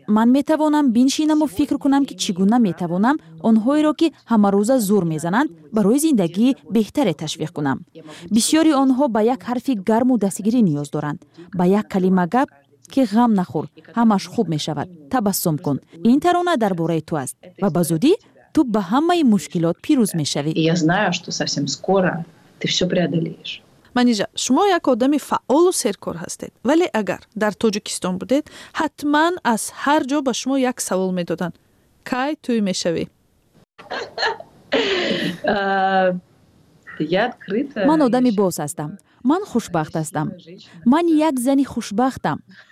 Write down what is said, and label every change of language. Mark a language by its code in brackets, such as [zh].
[fa] من می توانم بینشینم و فکر کنم که چگونه می توانم آنهایی را که همه روزه زور می زنند برای زندگی بهتر تشویق کنم. بسیاری آنها به یک حرف گرم و دستگیری نیاز دارند، به یک کلمه گپ که غم نخور، همش خوب می شود، تبسم کن، این ترانه در باره تو است و به زودی تو به همه مشکلات پیروز می شوی. [ru] Я знаю, что совсем скоро ты все преодолеешь. [fa] منیجا، شما یک آدم فعال و سرکار هستید، ولی اگر در تاجیکستان بودید حتما از هر جا به شما یک سوال می دادن. کی توی می شوی؟ من آدمی باز هستم. من خوشبخت هستم. من یک زنی خوشبختم.